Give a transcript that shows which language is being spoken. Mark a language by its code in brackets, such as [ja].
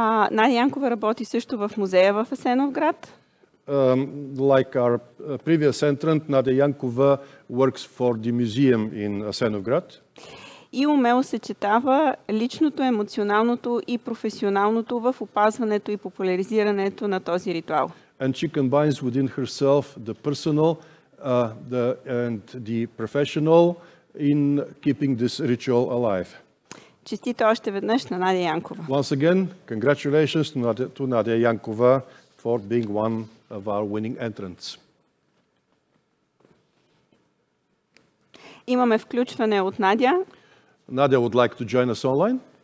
[bg] Надя Янкова работи също в музея в Асеновград. [en] Like our previous entrant, Nadia Jankova works for the museum in Asenovgrad. [bg] И умело съчетава личното, емоционалното и професионалното в опазването и популяризирането на този ритуал. [en] And she combines within herself the personal and the professional in keeping this ritual alive. [bg] Честито още веднъж на Надя Янкова. [en] Once again, congratulations to Nadia Jankova for being one of our winning entrants. [bg] Имаме включване от Надя. [en] Надя would like to join us online.